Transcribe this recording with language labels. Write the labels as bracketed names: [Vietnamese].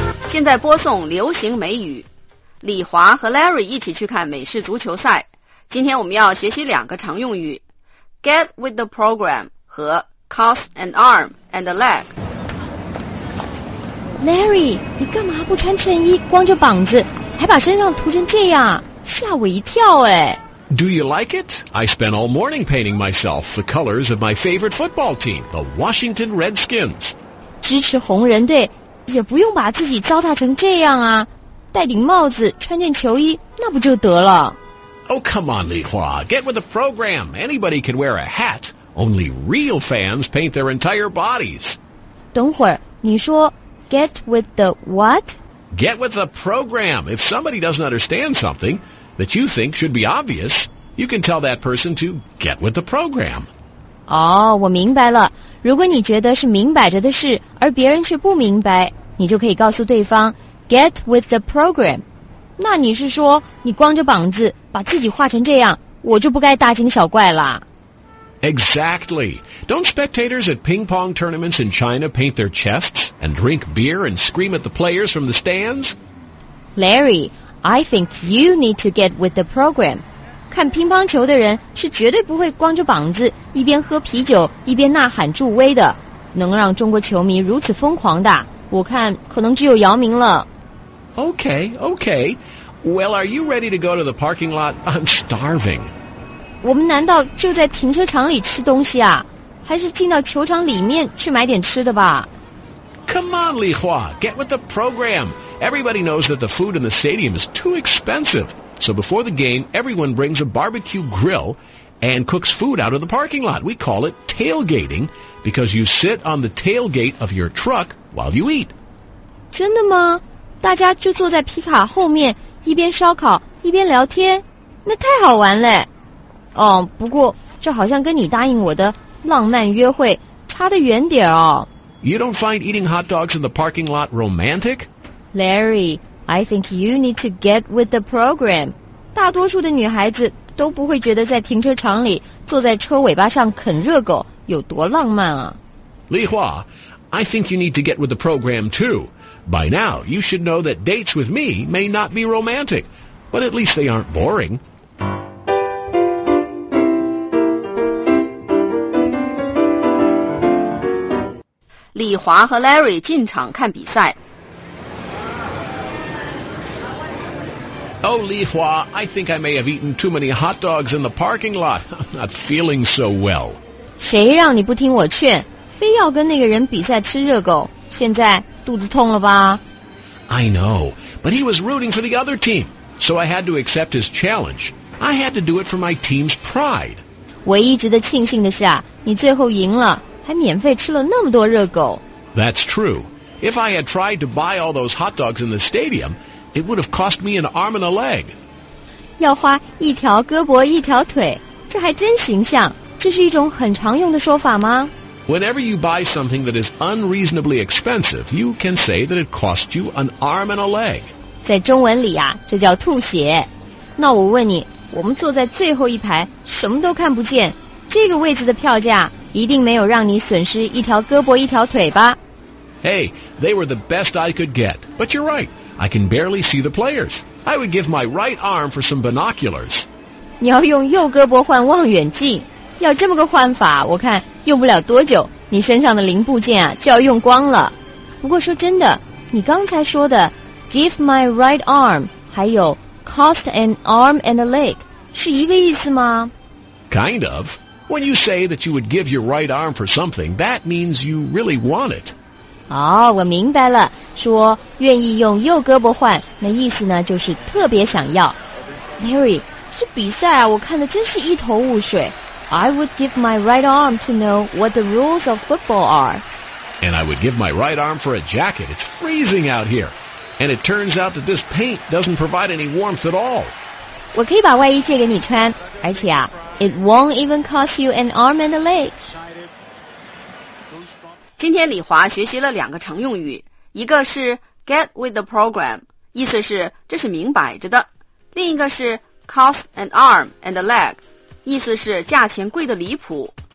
[Chinese] 现在播送流行美语，李华和 Larry 一起去看美式足球赛。今天我们要学习两个常用语， [English] Get with the program [Chinese] 和 [English] Cost an arm and a leg。 [Chinese] Larry， 你干嘛不穿衬衣，光着膀子还把身上涂成这样，吓我一跳哎。 [English] Do you like it? I spent all morning painting myself the colors of my favorite football team, the Washington Redskins. [Chinese] 支持红人队，也不用把自己糟蹋成这样啊，戴顶帽子，穿件球衣，那不就得了。 [English] Oh, come on, Li Hua. Get with the program. Anybody can wear a hat. Only real fans paint their entire bodies. [Chinese] 等会儿，你说 [English] get with the what? Get with the program. If somebody doesn't understand something... that you think should be obvious, you can tell that person to get with the program. [Chinese] 哦，我明白了。如果你觉得是明摆着的事，而别人却不明白，你就可以告诉对方 [English] get with the program. [Chinese] 那你是说，你光着膀子把自己画成这样，我就不该大惊小怪啦。 [English] Exactly. Don't spectators at ping pong tournaments in China paint their chests and drink beer and scream at the players from the stands? Larry... I think you need to get with the program. [Chinese] 看乒乓球的人是绝对不会光着膀子一边喝啤酒一边呐喊助威的，能让中国球迷如此疯狂的，我看可能只有姚明了。 [English] Okay, okay. Well, are you ready to go to the parking lot? I'm starving. [Chinese] 我们难道就在停车场里吃东西啊？还是进到球场里面去买点吃的吧？ [English] Come on, Li Hua, get with the program. Everybody knows that the food in the stadium is too expensive. So before the game, everyone brings a barbecue grill and cooks food out of the parking lot. We call it tailgating because you sit on the tailgate of your truck while you eat. [Chinese] 真的吗？大家就坐在皮卡后面，一边烧烤，一边聊天？那太好玩了。哦，不过这好像跟你答应我的浪漫约会差得远点哦。 [English] You don't find eating hot dogs in the parking lot romantic? Larry, I think you need to get with the program. [Chinese] 大多数的女孩子都不会觉得在停车场里坐在车尾巴上啃热狗有多浪漫啊。 [English] Li Hua, I think you need to get with the program too. By now, you should know that dates with me may not be romantic, but at least they aren't boring. [Chinese] 李华和 Larry 进场看比赛。 [English] Oh, Li Hua, I think I may have eaten too many hot dogs in the parking lot. I'm not feeling so well. [Chinese] 谁让你不听我劝，非要跟那个人比赛吃热狗，现在肚子痛了吧？ [English] I know, but he was rooting for the other team, so I had to accept his challenge. I had to do it for my team's pride. [Chinese] 唯一值得庆幸的是啊，你最后赢了。还免费吃了那么多热狗。 [English] That's true. If I had tried to buy all those hot dogs in the stadium, it would have cost me an arm and a leg. [Chinese] 要花一条胳膊一条腿，这还真形象。这是一种很常用的说法吗？ [English] Whenever you buy something that is unreasonably expensive, you can say that it cost you an arm and a leg. [Chinese] 在中文里啊，这叫吐血。那我问你，我们坐在最后一排，什么都看不见，这个位置的票价一定没有让你损失一条胳膊一条腿吧。 [English] Hey, they were the best I could get. But you're right, I can barely see the players. I would give my right arm for some binoculars. [Chinese] 你要用右胳膊换望远镜，要这么个换法，我看用不了多久，你身上的零部件啊就要用光了。不过说真的，你刚才说的 [English] give my right arm [Chinese] 还有 [English] cost an arm and a leg [Chinese] 是一个意思吗？ [English] Kind of. When you say that you would give your right arm for something, that means you really want it. [Chinese] 哦，我明白了，说愿意用右胳膊换，那意思呢就是特别想要。 Larry, 这比赛啊，我看得真是一头雾水。 [English] I would give my right arm to know what the rules of football are. And I would give my right arm for a jacket. It's freezing out here. And it turns out that this paint doesn't provide any warmth at all. [Chinese] 我可以把外衣借给你穿，而且啊 [English] It won't even cost you an arm and a leg. [Chinese] 今天李华学习了两个常用语，一个是 [English] get with the program， [Chinese] 意思是这是明摆着的；另一个是 [English] cost an arm and a leg， [Chinese] 意思是价钱贵得离谱。